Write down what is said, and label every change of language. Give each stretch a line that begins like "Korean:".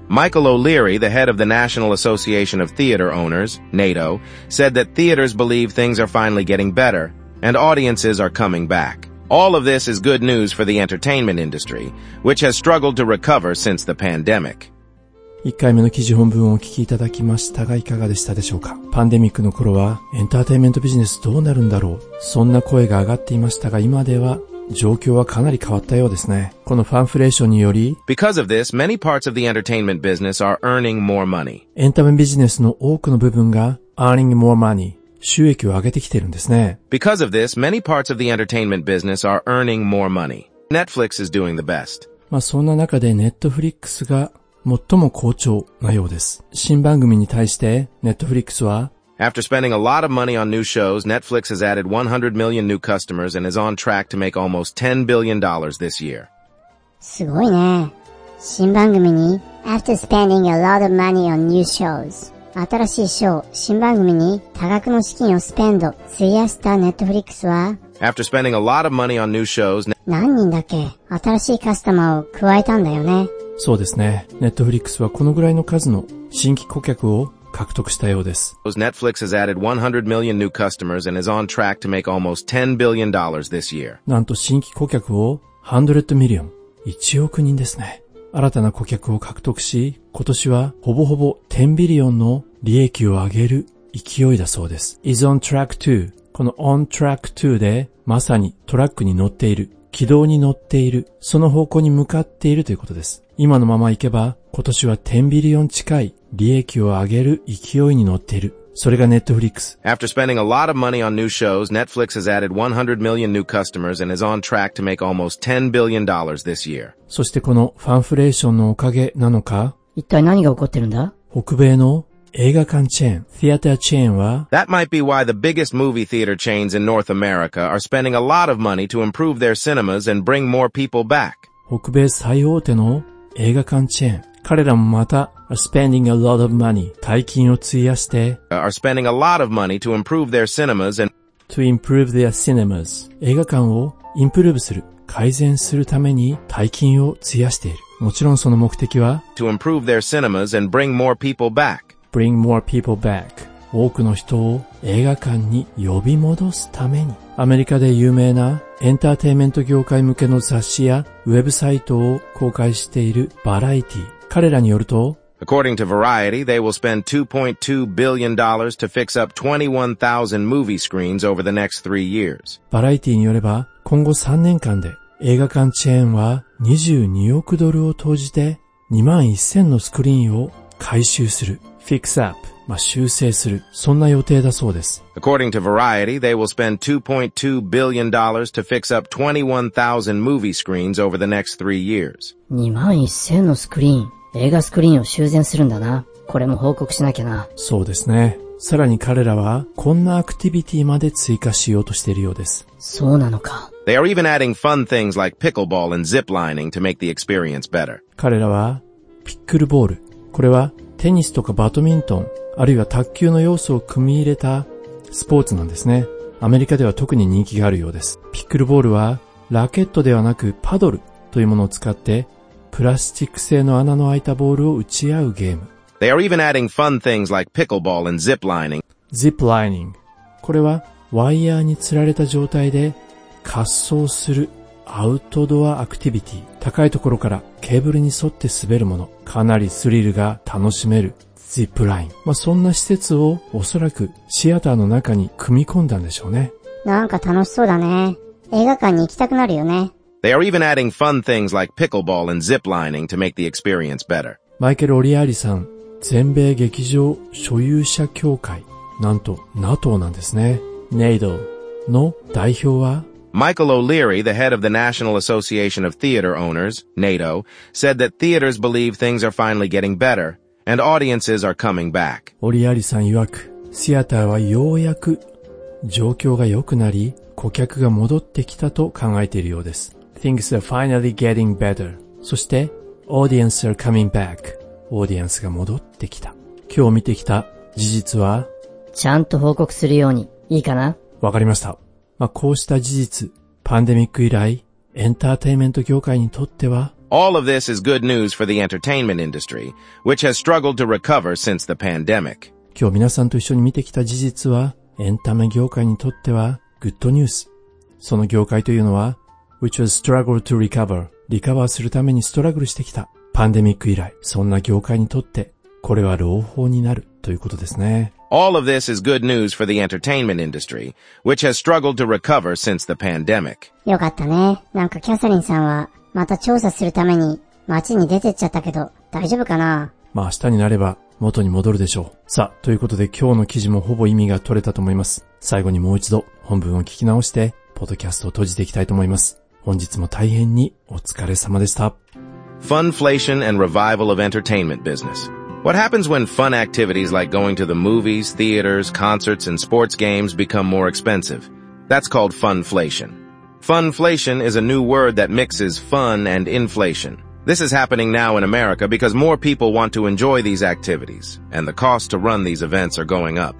English: Michael O'Leary, the head of the National Association of Theater Owners, NATO, said that theaters believe things are finally getting better and audiences are coming back. All of this is good news for the entertainment industry, which has struggled to recover since the pandemic.
Japanese: 1回目の記事本文をお聞きいただきましたが、いかがでしたでしょうか。パンデミックの頃はエンターテインメントビジネスどうなるんだろう、そんな声が上がっていましたが、今では状況はかなり変わったようですね。このファンフレーションにより、
English: Because of this, many parts of the entertainment business are earning more money.
Japanese: エンタメビジネスの多くの部分が
English: earning more money、
Japanese: 収益を上げてきているんですね。
English: Because of this, many parts of the entertainment business are earning more money. Netflix is doing the best.
Japanese: まあそんな中で Netflix が最も好調なようです。新番組に対して Netflix は、
English: After spending a lot of money on new shows, Netflix has added 100 million new customers and is on track to make almost $10 billion this year.
Japanese: すごいね。新番組に、
English: After spending a lot of money on new shows,
Japanese: 新しいショー、新番組に多額の資金をスペンド、費やした Netflix は、
English: After spending a lot of money on new shows,
Japanese: 何人だっけ、新しいカスタマーを加えたんだよね。そうですね。Netflix はこのぐらいの数の新規顧客を獲得したようです。
English: Netflix has added 100 million new customers and is on track to make almost $10 billion this year.
Japanese: なんと新規顧客を100 million、1億人ですね。新たな顧客を獲得し、今年はほぼほぼ10 billion の利益を上げる勢いだそうです。
English: is on track to、
Japanese: この
English: on track to
Japanese: でまさにトラックに乗っている、軌道に乗っている、その方向に向かっているということです。今のまま行けば今年は10 billion 近い利益を上げる勢いに乗っている。それがネットフリックス。
English: After spending a lot of money on new shows, Netflix has added 100 million new customers and is on track to make almost $10 billion this year.
Japanese: そしてこのファンフレーションのおかげなのか、一体何が起こってるんだ？北米の映画館チェーン、theater chain は、
English: That might be why the biggest movie theater chains in North America are spending a lot of money to improve their cinemas and bring more people back.
Japanese: 北米最大手の映画館チェーン、彼らもまた
English: are spending a lot of money、
Japanese: 大金を費やして
English: are spending a lot of money to improve their cinemas and to improve their cinemas、
Japanese: 映画館をインプルーブする、改善するために大金を費やしている。もちろんその目的は
English: to improve their cinemas and bring more people back、 bring more people back、
Japanese: 多くの人を映画館に呼び戻すために。アメリカで有名なエンターテインメント業界向けの雑誌やウェブサイトを公開しているバラエティ、彼らによると
English: According to Variety, they will spend $2.2 billion to fix up 21,000 movie screens over the next 3 years.
Japanese: バラエティによれば、今後3年間で映画館チェーンは22億ドルを投じて2万1000のスクリーンを改修する。
English: Fix up、
Japanese: まあ修正する、そんな予定だそうです。
English: According to Variety, they will spend $2.2 billion to fix up 21,000 movie screens over the next 3 years.
Japanese: 2万1000のスクリーン、映画スクリーンを修繕するんだな。これも報告しなきゃな。そうですね。さらに彼らはこんなアクティビティまで追加しようとしているようです。そうなのか。
English: They are even adding fun things like pickleball and zip lining to make the experience better.
Japanese: 彼らはピックルボール、これはテニスとかバドミントン、あるいは卓球の要素を組み入れたスポーツなんですね。アメリカでは特に人気があるようです。ピックルボールはラケットではなくパドルというものを使ってプラスチック製の穴の開いたボールを打ち合うゲーム。
English: They are even adding fun things like pickleball and zip lining. Zip lining.
Japanese: これはワイヤーに吊られた状態で滑走するアウトドアアクティビティ。高いところからケーブルに沿って滑るもの。かなりスリルが楽しめる。ジップライン。まあ、そんな施設をおそらくシアターの中に組み込んだんでしょうね。なんか楽しそうだね。映画館に行きたくなるよね。
English: They are even adding fun things like pickleball and zip lining to make the experience better.
Japanese: マイケル・オリアーリさん、全米劇場所有者協会、なんと NATO なんですね。 NATO の代表は、
English: Michael O'Leary, the head of the National Association of Theater Owners, NATO, said that theaters believe things are finally getting better. And audiences are coming back.
Japanese: オリアリさん曰く、シアターはようやく状況が良くなり、顧客が戻ってきたと考えているようです。
English: Things are finally getting better.
Japanese: そして、
English: audience are coming back.
Japanese: オーディエンスが戻ってきた。今日見てきた事実は、ちゃんと報告するようにいいかな？わかりました。まあ、こうした事実、パンデミック以来、エンターテインメント業界にとっては、
English: All of this is good news for the entertainment industry, which has struggled to recover since the pandemic.
Japanese: 今日皆さんと一緒に見てきた事実は、エンタメ業界にとっては、グッドニュース。その業界というのは、
English: which has struggled to recover.
Japanese: リカバーするためにストラグルしてきた。パンデミック以来、そんな業界にとって、これは朗報になるということですね。
English: All of this is good news for the entertainment industry, which has struggled to recover since the pandemic.
Japanese: よかったね。なんかキャサリンさんは、また調査するために街に出てっちゃったけど大丈夫かな？まあ明日になれば元に戻るでしょう。さあ、ということで今日の記事もほぼ意味が取れたと思います。最後にもう一度本文を聞き直してポッドキャストを閉じていきたいと思います。本日も大変にお疲れ様でした。
English: Funflation and revival of entertainment business. What happens when fun activities like going to the movies, theaters, concerts and sports games become more expensive? That's called funflation. Funflation is a new word that mixes fun and inflation. This is happening now in America because more people want to enjoy these activities, and the cost to run these events are going up.